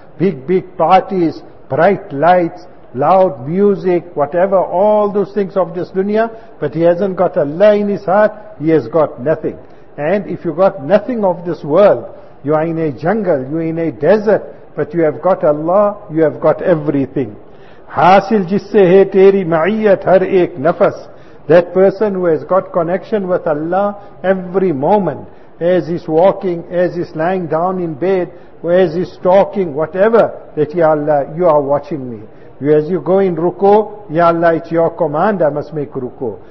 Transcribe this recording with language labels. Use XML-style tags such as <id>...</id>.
<en>Big, big parties, bright lights, loud music, whatever, all those things of this dunya, but he hasn't got Allah in his heart, he has got nothing. And if you got nothing of this world, you are in a jungle, you are in a desert, but you have got Allah, you have got everything.</en> <ur>حاصل جس سے ہے تیری معیت ہر ایک نفس.</ur> <en>That person who has got connection with Allah every moment, as he's walking, as he's lying down in bed, or as he's talking, whatever, that Ya Allah, you are watching me. As you go in ruku, Ya Allah, it's your command, I must make ruku.</en>